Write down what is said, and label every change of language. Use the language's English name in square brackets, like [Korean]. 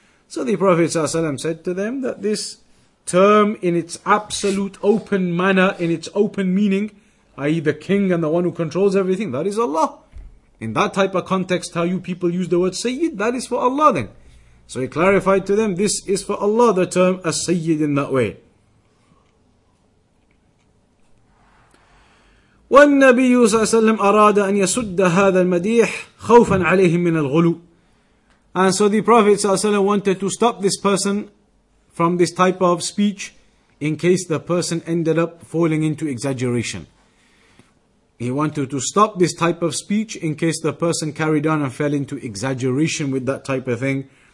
[English] So the Prophet ﷺ said to them that this term in its absolute open manner, in its open meaning, i.e. the king and the one who controls everything, that is Allah. In that type of context, how you people use the word Sayyid, that is for Allah then. So he clarified to them, this is for Allah, the term as Sayyid in that way. [Arabic] والنبي صلى الله عليه وسلم أراد أن يسد هذا المديح خوفا عليهم من الغلو. [English] And so the Prophet [Arabic] صلى الله عليه وسلم [English] wanted to stop this person from this type of speech in case the person ended up falling into exaggeration. He wanted to stop this type of speech in case the person carried on and fell into exaggeration with that type of thing.